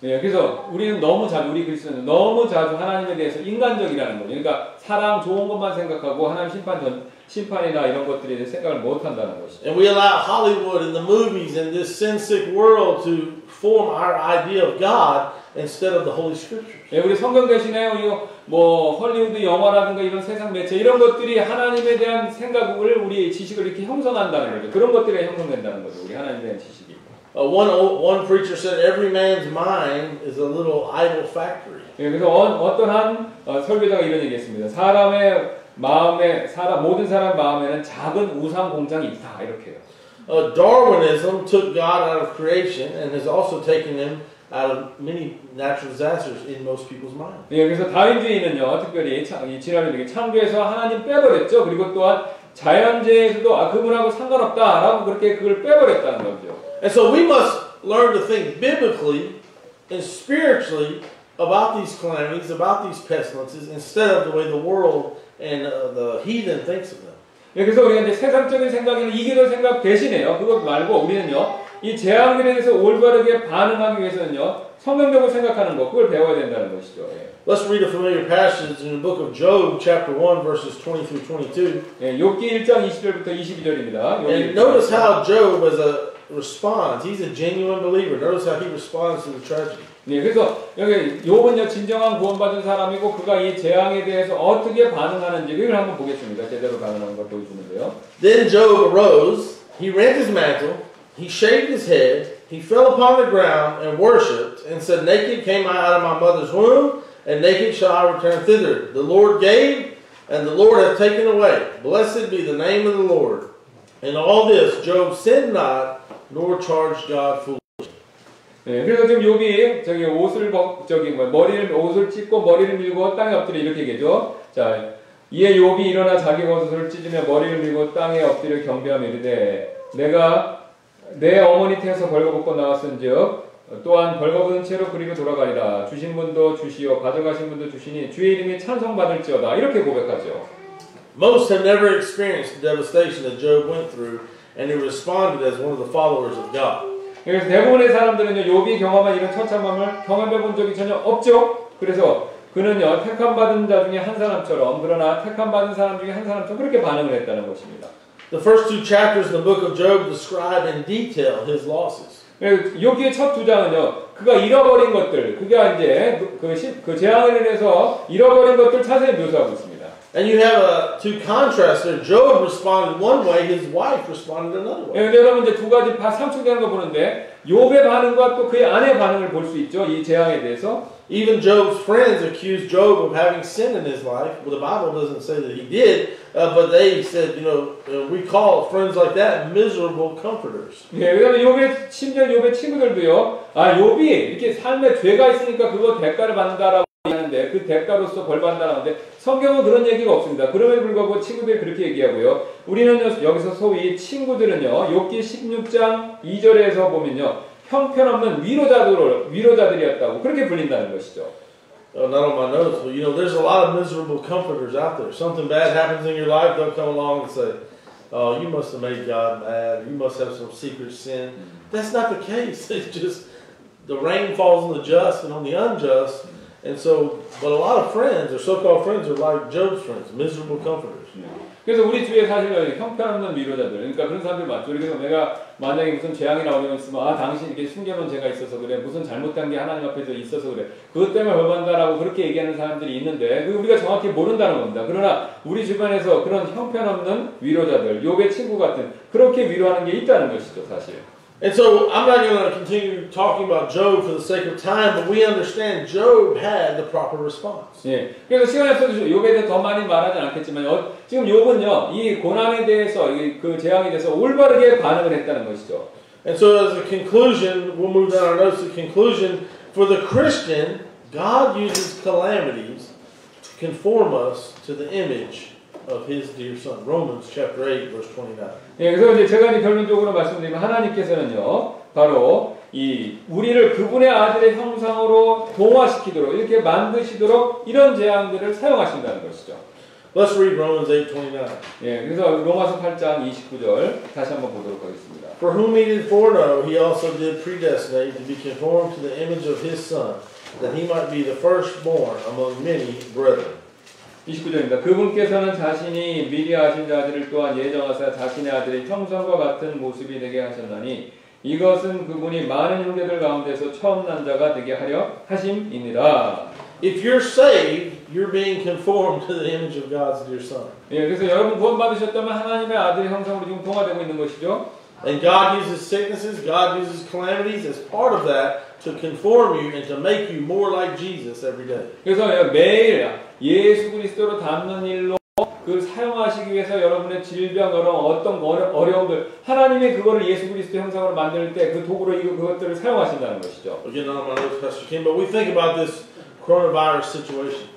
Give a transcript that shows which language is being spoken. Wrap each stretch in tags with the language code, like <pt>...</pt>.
<ko>예, 그래서 우리는 너무 자주 우리 그리스도는 너무 자주 하나님에 대해서 인간적이라는 거예요. 그러니까 사랑 좋은 것만 생각하고 하나님 심판이나 이런 것들에 대해 생각을 못 한다는 것이.</ko> <en>And we allow Hollywood and the movies and this sin-sick world to form our idea of God instead of the Holy Scriptures.</en> <ko>예, 우리 성경 대신에요, 뭐 할리우드 영화라든가 이런 세상 매체 이런 것들이 하나님에 대한 생각을 우리 지식을 이렇게 형성한다는 거죠. 그런 것들에 형성된다는 거죠. 우리 하나님에 대한 지식이.</ko> <en>One preacher said every man's mind is a little idol factory.</en> <ko>예, 그래서 어떤 한 설교자가 이런 얘기했습니다. 사람의 마음에 모든 사람 마음에는 작은 우상 공장이 있다 이렇게요.</ko> <en>Darwinism took God out of creation and has also taken him out of many natural disasters in most people's minds.</en> <ko>예, 그래서 다윈주의는요, 특별히 지난해 창조에서 하나님 빼버렸죠. 그리고 또한 자연재해에서도 아 그분하고 상관없다라고 그렇게 그걸 빼버렸다는 거죠.</ko> <en>And so we must learn to think biblically and spiritually about these calamities, about these pestilences, instead of the way the world and the heathen thinks of them.</en> <ko>예, 그래서 우리가 이제 세상적인 생각이나 이기적인 생각 대신에요. 그것 말고 우리는요, 이 재앙들에 대해서 올바르게 반응하기 위해서는요, 성경적으로 생각하는 것, 그걸 배워야 된다는 것이죠. 예.</ko> <en>Let's read a familiar passage in the book of Job, chapter 1, verses 20 through 22.</en> <ko>욥기 1장 20절부터 22절입니다.</ko> <en>And notice how Job was a responds. He's a genuine believer. Notice how he responds to the tragedy.</en> <ko>네, 그래서 여기 요번에 진정한 구원받은 사람이고 그가 이 재앙에 대해서 어떻게 반응하는지 이걸 한번 보겠습니다. 제대로 반응하는 걸 보여주는데요.</ko> <en>Then Job arose, he rent his mantle, he shaved his head, he fell upon the ground and worshipped and said, Naked came I out of my mother's womb, and naked shall I return thither. The Lord gave, and the Lord hath taken away. Blessed be the name of the Lord. In all this Job sinned not, nor charged God fully.</en> <ko>네, 그래서 지금 욥이 저기 옷을 머리를 옷을 찢고 머리를 밀고 땅에 엎드려 이렇게 얘기죠. 자, 이에 욥이 일어나 자기 옷을 찢으며 머리를 밀고 땅에 엎드려 경배하며 이르되 내가 내 어머니 태에서 벌거벗고 나왔은즉 또한 벌거벗은 채로 그리로 돌아가리라. 주신 분도 주시오 가져가신 분도 주시니 주의 이름이 찬송받을지어다. 이렇게 고백하죠.</ko> <en>Most have never experienced the devastation that Job went through, and he responded as one of the followers of God.</en> <ko>그래서 대부분의 사람들은요, 욥이 경험한 이런 처참함을 경험해 본 적이 전혀 없죠. 그래서 그는요, 택함 받은 자 중에 한 사람처럼, 그러나 택함 받은 사람 중에 한 사람처럼 그렇게 반응을 했다는 것입니다.</ko> <en>The first two chapters in the book of Job describe in detail his losses.</en> <ko>욥기의 첫 두 장은요, 그가 잃어버린 것들, 그가 이제 그 재앙을 인해서 잃어버린 것들 자세히 묘사하고 있습니다.</ko> <en>And you have two contrasts. Job responded one way, his wife responded another way.</en> <ko>예, 여러분 이제 두 가지 상충되는 거 보는데 욥의 반응과 또 그의 아내 반응을 볼 수 있죠. 이 재앙에 대해서.</ko> <en>Even Job's friends accused Job of having sin in his life. Well, the Bible doesn't say that he did, but they said, you know, we call friends like that miserable comforters.</en> <ko>예, 그다음에 욥의 심지어 욥의 친구들도요. 아, 욥이 이렇게 삶에 죄가 있으니까 그거 대가를 받는다라고 하는데 그 대가로서 벌 받는다는데 성경은 그런 얘기가 없습니다. 그럼에도 불구하고 친구들이 그렇게 얘기하고요. 우리는 여기서 소위 친구들은요. 욥기 16장 2절에서 보면요. 형편없는 위로자들이었다고 그렇게 불린다는 것이죠.</ko> <en>Not on my notes, but you know, there's a lot of miserable comforters out there. Something bad happens in your life, they'll come along and say, oh, you must have made God mad. You must have some secret sin. That's not the case. It's just the rain falls on the just and on the unjust. And so, but a lot of friends, or so-called friends, are like Job's friends, miserable comforters.</en> <ko>그래서 우리 주위에 사실은 형편없는 위로자들, 그러니까 그런 사람들 많죠. 그래서 내가 만약에 무슨 재앙이 나오면 있으면, 아, 당신 이렇게 숨겨놓은 죄가 있어서 그래, 무슨 잘못한 게 하나님 앞에서 있어서 그래, 그것 때문에 벌받는다라고 그렇게 얘기하는 사람들이 있는데, 우리가 정확히 모른다는 겁니다. 그러나 우리 주변에서 그런 형편없는 위로자들, 욥의 친구 같은 그렇게 위로하는 게 있다는 것이죠, 사실.</ko> <en>And so I'm not going to continue talking about Job for the sake of time, but we understand Job had the proper response.</en> <ko>예, 그래서 시간이 없어서 욥에 대해 더 많이 말하지 않겠지만 지금 욥은요 이 고난에 대해서 그 재앙에 대해서 올바르게 반응을 했다는 것이죠.</ko> <en>And so as a conclusion, we'll move down our notes to conclusion. For the Christian, God uses calamities to conform us to the image of His dear Son. Romans chapter 8, verse 29.</en> <ko>예, 그래서 이제 제가 이제 결론적으로 말씀드리면 하나님께서는요, 바로 이 우리를 그분의 아들의 형상으로 동화시키도록 이렇게 만드시도록 이런 재앙들을 사용하신다는 것이죠.</ko> <en>Let's read Romans 8, 29.</en> <ko>예, 그래서 로마서 8장 29절 다시 한번 보도록 하겠습니다.</ko> <en>For whom He did foreknow, He also did predestinate to be conformed to the image of His Son, that He might be the firstborn among many brethren.</en> <ko>29절입니다. 그분께서는 자신이 미리 아신 자들을 또한 예정하사 자신의 아들이 형상과 같은 모습이 되게 하셨나니 이것은 그분이 많은 형제들 가운데서 처음 난 자가 되게 하려 하심이니라.</ko> <en>If you're saved, you're being conformed to the image of God's dear Son.</en> <ko>예, 그래서 여러분 구원 받으셨다면 하나님의 아들의 형상으로 지금 통화되고 있는 것이죠.</ko> <en>And God uses sicknesses, God uses calamities as part of that to conform you and to make you more like Jesus every day.</en> <ko>그래서 매일 예수 그리스도로 닮는 일로 그 사용하시기 위해서 여러분의 질병으로 어떤 어려움들 하나님의 그거를 예수 그리스도 형상으로 만들 때 그 도구로 이거 그것들을 사용하신다는 것이죠.</ko> <en>Again, I'm not sure, Pastor Kim, but we think about this coronavirus situation.</en>